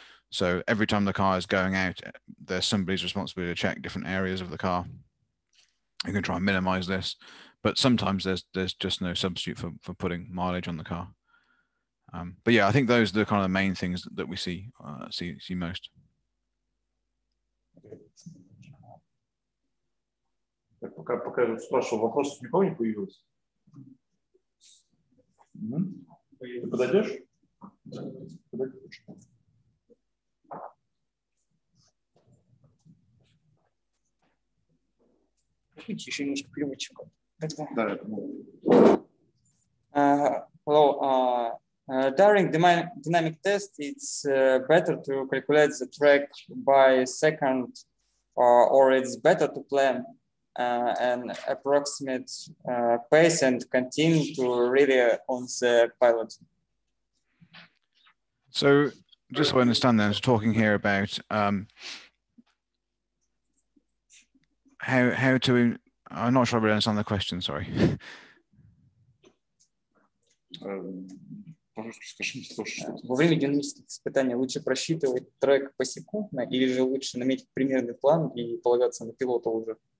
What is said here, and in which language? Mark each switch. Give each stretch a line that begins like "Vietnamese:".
English: So every time the car is going out, there's somebody's responsibility to check different areas of the car. You can try and minimize this, but sometimes there's just no substitute for putting mileage on the car. But yeah, I think those are the kind of the main things that we see most.
Russian: Пока я спрашиваю, вопрос у никого не появился? Угу. Ты подойдешь? Да. Подойдешь. Еще немножко переводчик. Да, это мой.
English: Hello. During the dynamic test, it's better to calculate the track by second, or it's better to plan an approximate pace and continue to rely on the pilot. So, just so I understand, then, we're talking here about how to. I'm not sure I really understand the question. Sorry.
Russian: Во время динамических испытаний лучше просчитывать трек посекундно или же лучше наметить примерный план и полагаться на пилота уже?